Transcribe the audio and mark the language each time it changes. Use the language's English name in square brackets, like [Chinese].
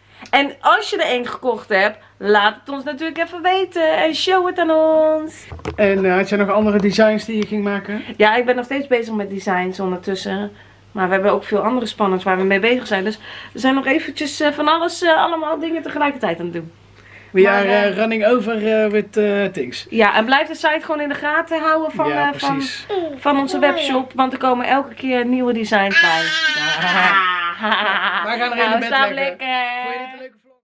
[Dutch] En als je er één gekocht hebt, laat het ons natuurlijk even weten en show het aan ons. En had jij nog andere designs die je ging maken? Ja, ik ben nog steeds bezig met designs ondertussen. Maar we hebben ook veel andere spannends waar we mee bezig zijn. Dus we zijn nog eventjes van alles, allemaal dingen tegelijkertijd aan het doen. [English] We are running over with things. [Dutch] Ja, en blijf de site gewoon in de gaten houden van onze webshop. Want er komen elke keer nieuwe designs bij. Wij gaan erin nou, in bed slaap lekker. Lekker. Vond je dit een leuke vlog?